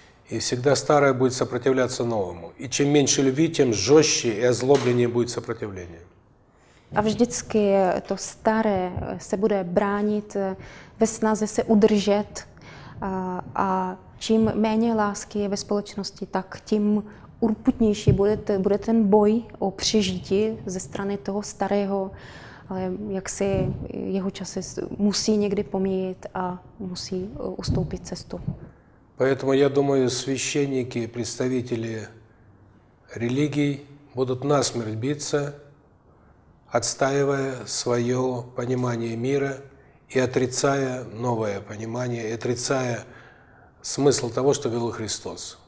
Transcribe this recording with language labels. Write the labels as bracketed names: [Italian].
[Russian] И всегда старое будет сопротивляться новому. И чем меньше любви, тем жестче и озлобленнее будет сопротивление. [Czech] A vždycky to staré se bude bránit ve snaze se udržet a čím méně lásky je ve společnosti, tak tím urputnější bude ten boj o přežití ze strany toho starého, ale jak si jeho časy musí někdy pomíjet a musí ustoupit cestu. [Russian] Поэтому я думаю, священники, представители религий будут насмерть биться, отстаивая своё понимание мира и отрицая новое понимание, и отрицая смысл того, что говорил Христос.